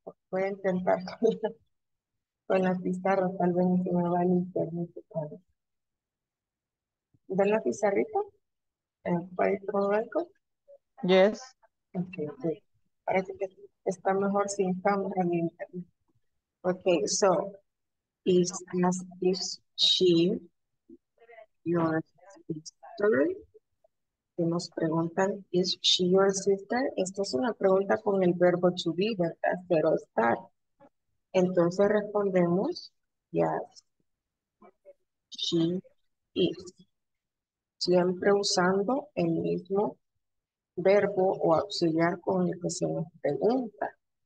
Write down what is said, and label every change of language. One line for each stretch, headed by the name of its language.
Spanish: Voy a intentar. con la pizarra, tal vez se me va el internet. ¿Ven la pizarrita? ¿Puedes probar algo?
English: Yes.
Spanish: Ok, sí. Parece que está mejor si estamos en internet.
English: Ok, so, is as if she your sister?
Spanish: Que nos preguntan,
English: is she your sister?
Spanish: Esta es una pregunta con el verbo to be, ¿verdad? Ser o estar. Entonces respondemos,
English: yes, she is.
Spanish: Siempre usando el mismo verbo o auxiliar con el que se nos pregunta.